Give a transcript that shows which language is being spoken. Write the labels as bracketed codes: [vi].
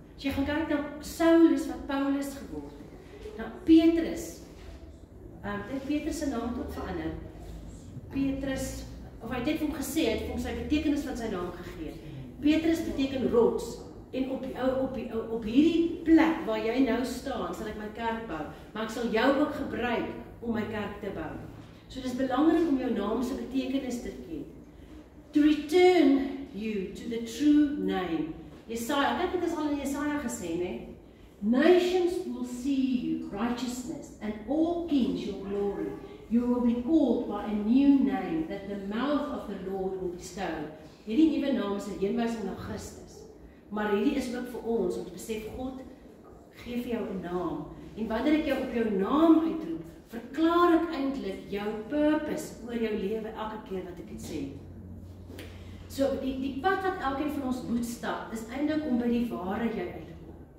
[af] As jy gaan kyk na Saulus wat Paulus geword het, na Petrus. Dit Petrus se naam tot verander. Petrus, of hy het hom gesê, het hom sy betekenis van sy naam gegee. Petrus beteken rots. En op hierdie plek waar jy nou staan, sal ek my kerk bou. Maar ek sal jou ook gebruik om my kerk te bou. So dis belangrik om jou naam se betekenis te ken. [en] To return you to the true name. [af] Jesaja, ek het dit al in Jesaja gesê, nê? [en] Nations will see you, righteousness, and all kings your glory. You will be called by a new name that the mouth of the Lord will bestow. [af] Hierdie nuwe naam is 'n heenwysing na Christus. Maar hierdie is ook vir ons om te besef God gee vir jou 'n naam. En wanneer ek jou op jou naam uitroep, verklaar ek eintlik jou purpose oor jou lewe elke keer wat ek dit sê. So die pad wat elkeen van ons moet stap, is eintlik om by die ware jy uit te kom.